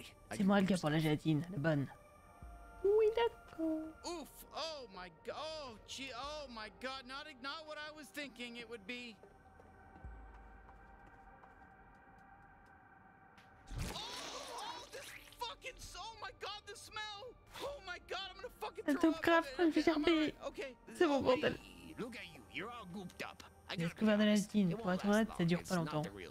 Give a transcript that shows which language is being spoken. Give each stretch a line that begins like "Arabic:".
French: C'est moi le gars pour la gélatine, la bonne. Oui, d'accord.
English: Ouf. Oh my god. Oh my god. Not what I was thinking it would be. Oh my god, the smell. Oh my god, I'm gonna fucking throw up.
French: C'est bon, bordel.
English: Look at you. You're all gooped up.
French: J'ai découvert de la gélatine, pour être honnête, ça dure pas longtemps.